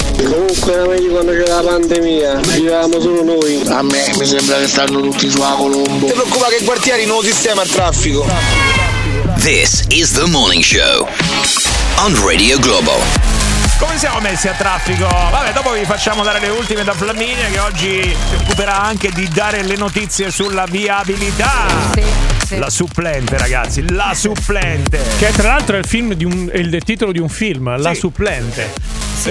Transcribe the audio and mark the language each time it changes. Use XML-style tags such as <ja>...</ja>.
<it>Comunque era meglio quando c'era la pandemia, vivevamo solo noi. A me mi sembra che stanno tutti sulla Colombo. Ti preoccupa che quartieri, nuovo sistema al traffico.</it> <en>This is the morning show on Radio Globo.</en> <it>Come siamo messi a traffico? Vabbè, dopo vi facciamo dare le ultime da Flaminia, che oggi si occuperà anche di dare le notizie sulla viabilità. Sì, sì. La supplente, ragazzi, la supplente. Che tra l'altro è il film di il titolo di un film, sì. La supplente. Sì.</it>